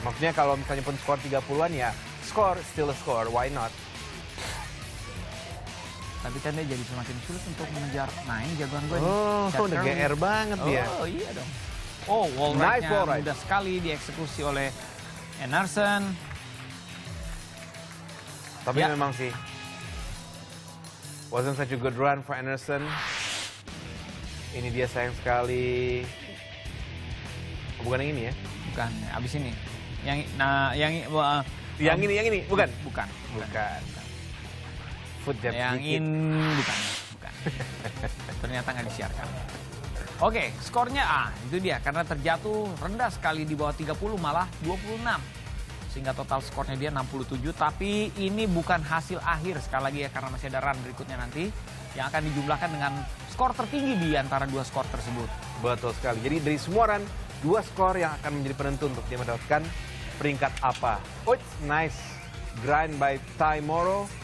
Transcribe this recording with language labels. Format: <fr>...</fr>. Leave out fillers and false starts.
<id>Maksudnya kalau misalnya pun skor 30-an ya, skor</id> <en>still a score, why not?</en> <id>Tapi kan dia jadi semakin sulit untuk mengejar, nah ini jagoan gue. Oh, udah GR banget dia. Oh iya dong. Oh, wall ride-nya mudah sekali dieksekusi oleh Anderson. Tapi ya, memang sih,</id> <en>wasn't such a good run for Anderson.</en> <id>Ini dia sayang sekali. Bukan yang ini ya? Bukan, abis ini. Yang nah, yang ini, bukan? Bukan. Bukan. Foot depth yang ini, bukan. Ternyata nggak disiarkan. Oke, skornya itu dia karena terjatuh rendah sekali di bawah 30 malah 26. Sehingga total skornya dia 67, tapi ini bukan hasil akhir sekali lagi ya karena masih ada run berikutnya nanti yang akan dijumlahkan dengan skor tertinggi di antara dua skor tersebut. Betul sekali. Jadi dari semua run, dua skor yang akan menjadi penentu untuk dia mendapatkan peringkat apa.</id> <en>Oh, nice grind by Ty Morrow.</en>